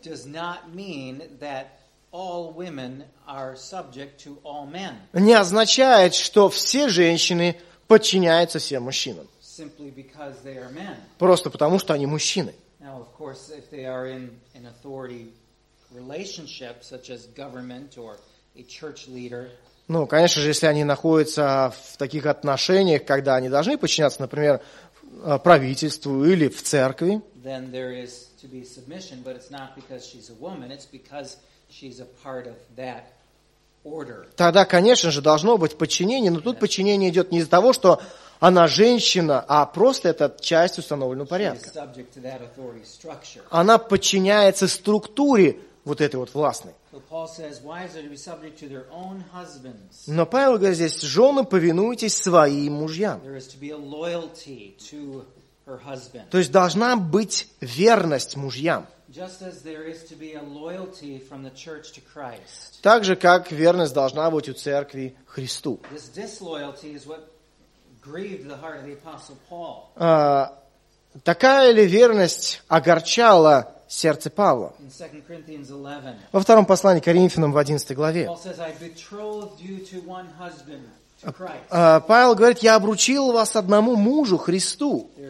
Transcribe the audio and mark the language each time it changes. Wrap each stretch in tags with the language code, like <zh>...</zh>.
<en>does not mean that all women are subject to all men.</en> <ru>Не означает, что все женщины подчиняются всем мужчинам.</ru> <en>Simply because they are men.</en> <ru>Просто потому, что они мужчины.</ru> <en>Now, of course, if they are in an authority relationship, such as government or a church leader.</en> <ru>Ну, конечно же, если они находятся в таких отношениях, когда они должны подчиняться, например, правительству или в церкви.</ru> <en>Then there is to be submission, but it's not because she's a woman, it's because she's a part of that order.</en> <ru>Тогда, конечно же, должно быть подчинение, но тут подчинение идет не из-за того, что она женщина, а просто это часть установленного порядка.</ru> <en>She's subject to that authority structure.</en> <ru>Она подчиняется структуре вот этой вот властной.</ru> <en>So Paul says, wives are to be subject to their own husbands.</en> <ru>Но Павел говорит здесь, жены, повинуйтесь своим мужьям.</ru> <en>There is to be a loyalty to her husband.</en> <ru>То есть должна быть верность мужьям.</ru> <en>Just as there is to be a loyalty from the church to Christ.</en> <ru>Так же, как верность должна быть у церкви Христу.</ru> <en>This disloyalty is what grieved the heart of the apostle Paul.</en> <ru>Такая ли верность огорчала сердце Павла?</ru> <en>In 2 Corinthians 11.</en> <ru>Во втором послании к Коринфянам в 11 главе.</ru> <en>Paul says, I betrothed you to one husband.</en> <ru>Павел говорит, я обручил вас одному мужу, Христу.</ru>